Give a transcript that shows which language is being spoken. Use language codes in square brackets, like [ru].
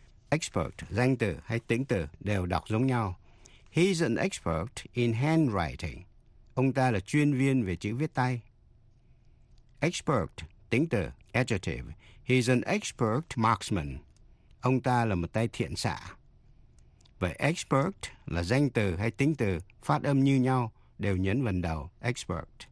[vi] Expert, danh từ hay tính từ đều đọc giống nhau. [en] He's an expert in handwriting. [vi] Ông ta là chuyên viên về chữ viết tay. Expert, tính từ, adjective. [en] He's an expert marksman. [vi] Ông ta là một tay thiện xạ. Vậy expert là danh từ hay tính từ, phát âm như nhau, đều nhấn vần đầu, expert.